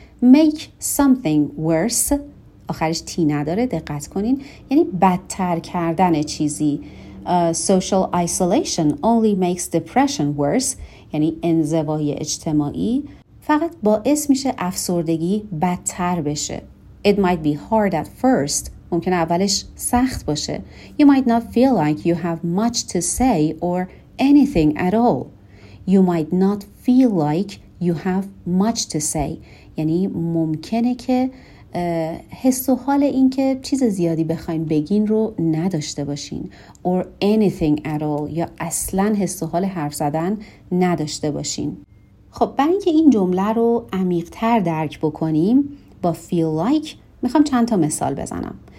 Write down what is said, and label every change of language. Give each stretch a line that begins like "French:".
English: Make something worse.
Persian: آخرش تی نداره، دقت کنین. یعنی بدتر کردن چیزی.
English: Social isolation only makes depression worse.
Persian: یعنی انزوای اجتماعی فقط باعث میشه افسردگی بدتر بشه.
English: It might be hard at first.
Persian: ممکنه اولش سخت باشه.
English: You might not feel like you have much to say or anything at all. You might not feel like you have much to say.
Persian: یعنی ممکنه که حس و حال این که چیز زیادی بخواین بگین رو نداشته باشین.
English: Or anything at all.
Persian: یا اصلا حس و حال حرف زدن نداشته باشین. خب برای اینکه این جمله رو عمیق‌تر درک بکنیم با feel like میخوام چند تا مثال بزنم.